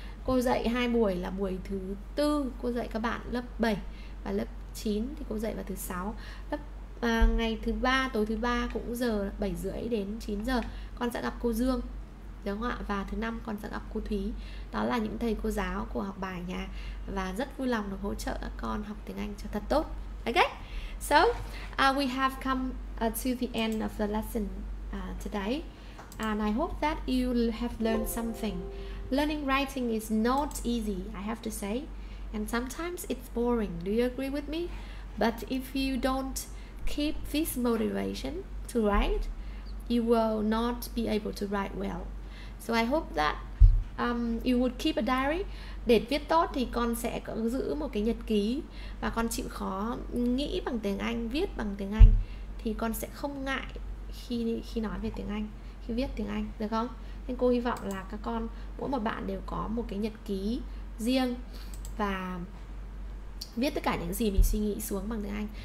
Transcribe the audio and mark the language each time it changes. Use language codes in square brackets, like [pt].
[vi] Cô dạy 2 buổi, là buổi thứ 4 cô dạy các bạn lớp 7 và lớp 9 thì cô dạy vào thứ 6. Ngày thứ 3, tối thứ 3 cũng giờ 7 rưỡi đến 9 giờ con sẽ gặp cô Dương, đúng không ạ? Và thứ 5 con sẽ gặp cô Thúy. Đó là những thầy cô giáo của học bài nhà, và rất vui lòng được hỗ trợ các con học tiếng Anh cho thật tốt. [en] Okay? So, we have come to the end of the lesson today. And I hope that you have learned something. Learning writing is not easy, I have to say. And sometimes it's boring. Do you agree with me? But if you don't keep this motivation to write, you will not be able to write well. So I hope that You would keep a diary. [vi] Để viết tốt thì con sẽ có giữ một cái nhật ký và con chịu khó nghĩ bằng tiếng Anh, viết bằng tiếng Anh thì con sẽ không ngại khi khi nói về tiếng Anh, khi viết tiếng Anh, được không? Nên cô hy vọng là các con, mỗi một bạn đều có một cái nhật ký riêng và viết tất cả những gì mình suy nghĩ xuống bằng tiếng Anh.